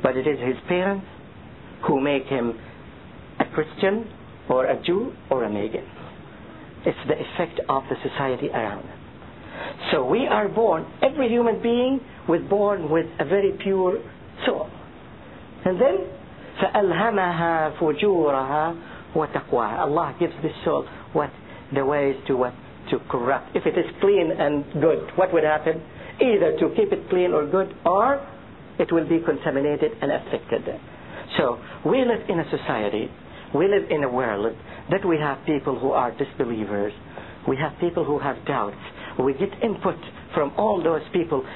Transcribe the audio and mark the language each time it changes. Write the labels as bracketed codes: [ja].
[en] But it is his parents who make him a Christian or a Jew or a pagan. It's the effect of the society around. So we are born, every human being was born with a very pure soul. And then [ar] فَأَلْهَمَهَا فُجُورَهَا وَتَقْوَاهَا. [en] Allah gives this soul what? The ways to what? To corrupt. If it is clean and good, what would happen? Either to keep it clean or good, or it will be contaminated and affected. So we live in a society, we live in a world that we have people who are disbelievers, we have people who have doubts, we get input from all those people.